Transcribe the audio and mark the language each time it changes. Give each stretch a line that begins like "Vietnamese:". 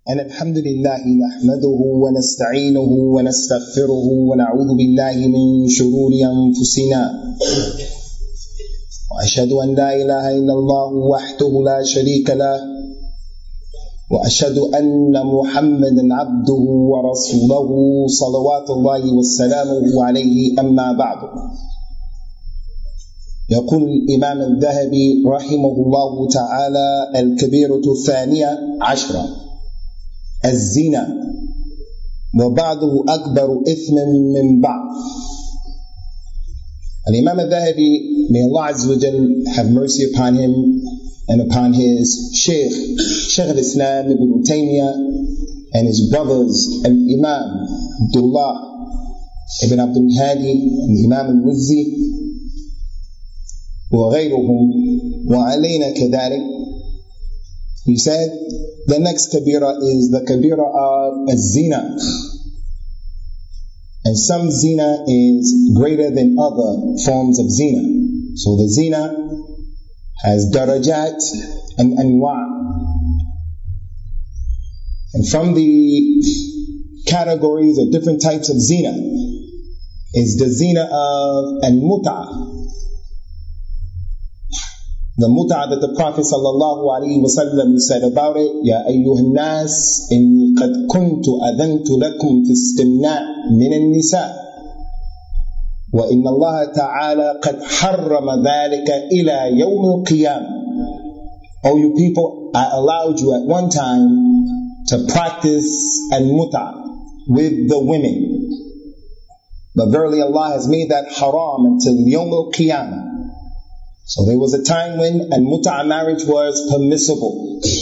Arabic: أن الحمد لله نحمده ونستعينه ونستغفره ونعوذ بالله من شرور أنفسنا وأشهد أن لا إله إلا الله وحده لا شريك له وأشهد أن محمدا عبده ورسوله صلوات الله وسلامه عليه أما بعد يقول الإمام الذهبي رحمه الله تعالى الكبيرة الثانية عشرة الزنا وبعضه أكبر إثما من بعض.
English: الإمام الذهبي may Allah
Arabic: عز وجل
English: have mercy upon him and upon his Shaykh, Shaykh al-Islam ibn Taymiyyah and his brothers al-Imam Abdullah ibn Abdul Hadi and Imam al-Muzzi
Arabic: وغيرهم وعلينا كذلك.
English: He said, the next kabira is the kabira of zina. And some zina is greater than other forms of zina. So the zina has darajat and anwa. And from the categories of different types of zina is the zina of al-muta'ah. The muta'ah that the Prophet sallallahu alaihi wasallam said about it,
Arabic: يَا أَيُّهَا النَّاسِ إِنِّي قَدْ كُنْتُ أَذَنْتُ لَكُمْ فِي اسْتِمْنَاءِ مِنَ النِّسَاءِ وَإِنَّ اللَّهَ تَعَالَى قَدْ حَرَّمَ ذَلِكَ إِلَى يَوْمِ الْقِيَامِ.
English: Oh, you people, I allowed you at one time to practice al-muta'ah with the women. But verily Allah has made that haram until
Arabic: يَوْمِ الْقِيَامِ.
English: So there was a time when al-muta'ah marriage was permissible.